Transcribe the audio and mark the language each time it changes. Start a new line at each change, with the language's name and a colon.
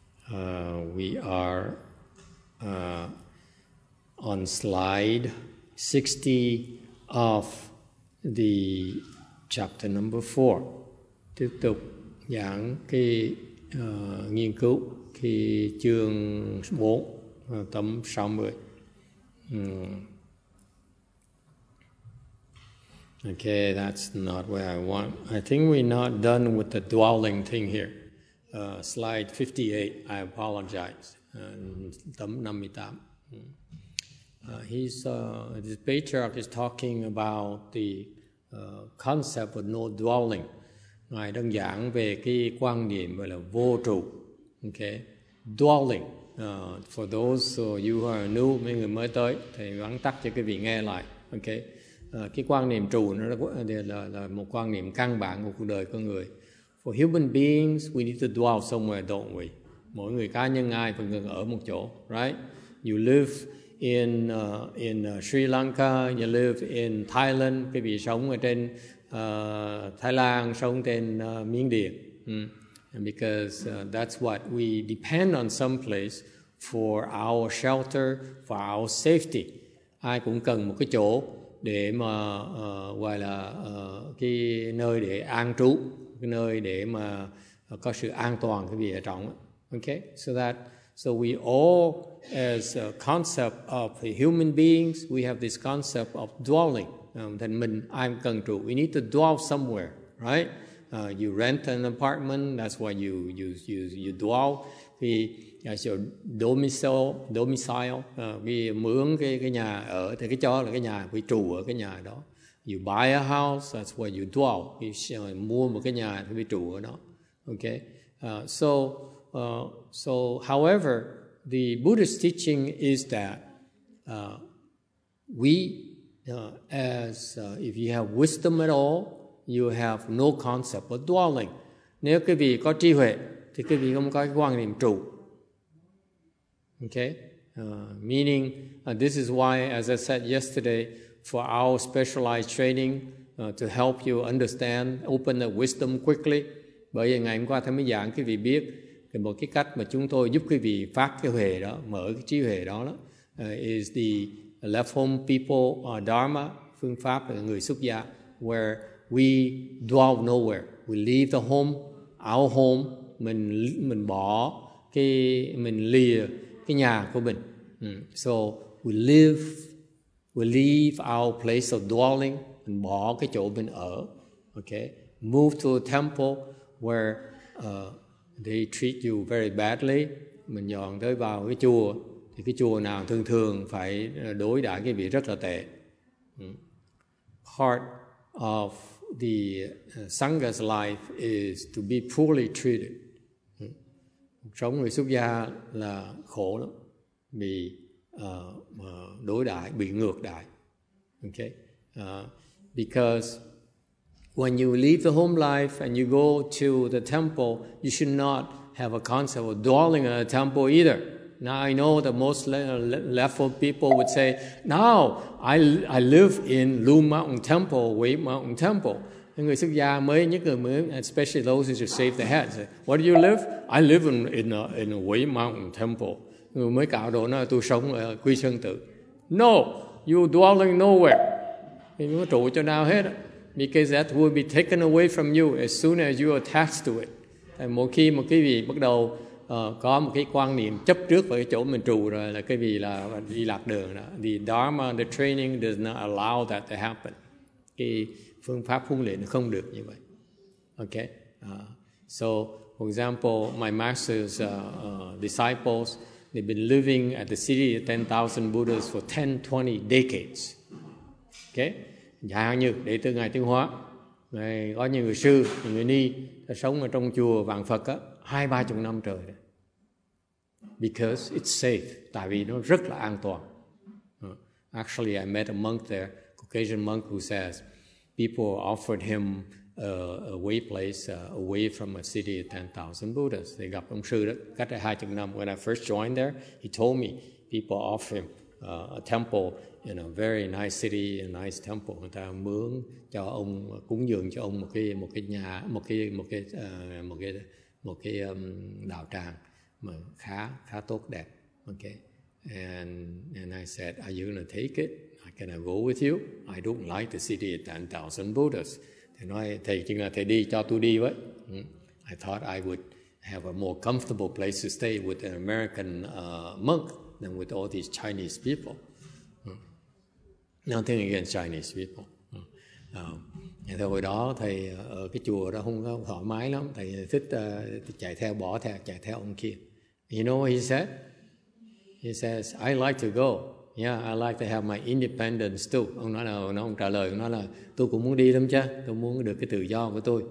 English: We are on slide 60 of the chapter number 4.
Vietnamese: Tiếp tục giảng cái nghiên cứu. Thì chương 4, tấm 60.
English: Okay, that's not what I want. I think we're not done with the dwelling thing here. Slide 58, I apologize.
Vietnamese: Tấm 58.
English: This patriarch is talking about the concept of no dwelling.
Vietnamese: Ngài đang giảng về cái quan điểm gọi là vô trụ. Okay. Dwelling.
English: For those of you who are new,
Vietnamese: mấy người mới tới, thì vắn tắt cho quý vị nghe lại. Okay. Cái quan niệm trụ là một quan niệm căn bản của cuộc đời con người.
English: For human beings, we need to dwell somewhere, don't we?
Vietnamese: Mỗi người cá nhân ai phải ngừng ở một chỗ,
English: right? You live in Sri Lanka, you live in Thailand,
Vietnamese: quý vị sống ở trên Thái Lan, sống trên Miến Điện.
English: Because that's what we depend on someplace for our shelter, for our safety.
Vietnamese: Ai cũng cần một cái chỗ để mà gọi là cái nơi để an trú, cái nơi để mà có sự an toàn cái gì ở trong.
English: Okay, so we all, as a concept of human beings, we have this concept of dwelling. then mình I'm going to. We need to dwell somewhere, right? You rent an apartment. That's why you dwell.
Vietnamese: Thì sở domicile. Vì mướn cái nhà ở thì cái cho là cái nhà quy trụ ở cái nhà đó.
English: You buy a house. That's why you dwell.
Vietnamese: Vì mua một cái nhà thì quy trụ ở đó. Okay.
English: So however, the Buddhist teaching is that if you have wisdom at all, you have no concept of dwelling.
Vietnamese: Nếu quý vị có trí huệ, thì quý vị không có cái quan niệm trụ. Okay?
English: Meaning, this is why, as I said yesterday, for our specialized training, to help you understand, open the wisdom quickly.
Vietnamese: Bởi vì ngày hôm qua thầy mới giảng quý vị biết thì một cái cách mà chúng tôi giúp quý vị phát cái huệ đó, mở cái trí huệ đó, đó
English: is the left home people dharma,
Vietnamese: phương pháp là người xuất gia,
English: where we dwell nowhere. We leave the home, our home,
Vietnamese: mình bỏ cái, mình lìa cái nhà của mình.
English: So we leave our place of dwelling,
Vietnamese: mình bỏ cái chỗ mình ở.
English: Okay? Move to a temple where they treat you very badly.
Vietnamese: Mình dọn tới vào cái chùa, thì cái chùa nào thường thường phải đối đãi cái vị rất là tệ.
English: Part of the Sangha's life is to be poorly treated.
Vietnamese: Sống người xuất gia là khổ lắm, bị đối đãi, bị ngược đãi. Okay?
English: Because when you leave the home life and you go to the temple, you should not have a concept of dwelling in a temple either. Now I know that most leftward people would say, "Now I live in Lu Mountain Temple, Wei Mountain Temple."
Vietnamese: Người xuất gia mới những người mới,
English: especially those who just shave their heads. Where do you live? I live in a Wei Mountain Temple.
Vietnamese: Người mới cạo đầu nói, tôi sống ở Quy Sơn Tự.
English: No, you dwelling nowhere.
Vietnamese: Mình không trụ cho nào hết.
English: Because that will be taken away from you as soon as you attach to it.
Vietnamese: Thì mỗi khi mà quý vị bắt đầu có một cái quan niệm chấp trước vào cái chỗ mình trụ rồi là quý vị là đi lạc đường đó.
English: The dharma, the training does not allow that to happen.
Vietnamese: Cái phương pháp huấn luyện không được như vậy. Okay.
English: So, for example, my master's disciples, they've been living at the city of 10,000 Buddhas for 10, 20 decades. Okay.
Vietnamese: Dài hàng như đệ tử ngài Tiên Hóa, ngài có những người sư, những người ni đã sống ở trong chùa Vạn Phật á 20-30 năm trời đấy.
English: Because it's safe,
Vietnamese: tại vì nó rất là an toàn.
English: Actually, I met a monk there, Caucasian monk, who says people offered him a way place away from a city of 10,000 Buddhas.
Vietnamese: They gặp ông sư đó cách đây 20 năm.
English: When I first joined there, he told me people offered him a temple in a very nice city, a nice temple.
Vietnamese: Người ta mướn cho ông, cúng dường cho ông một cái đạo tràng mà khá tốt đẹp. Okay.
English: And I said, are you going to take it? Can I go with you? I don't like the city of 10,000 Buddhas.
Vietnamese: Thầy nói, thầy chừng nào thầy đi, cho tôi đi với.
English: I thought I would have a more comfortable place to stay with an American monk than with all these Chinese people. Nothing against Chinese people.
Vietnamese: Thì hồi đó thầy ở cái chùa đó không có thoải mái lắm. Thầy thích chạy theo ông kia.
English: You know what he said? He says, I like to go. Yeah, I like to have my independence too.
Vietnamese: Ông trả lời, ông nói là tôi cũng muốn đi lắm chứ. Tôi muốn được cái tự do của tôi.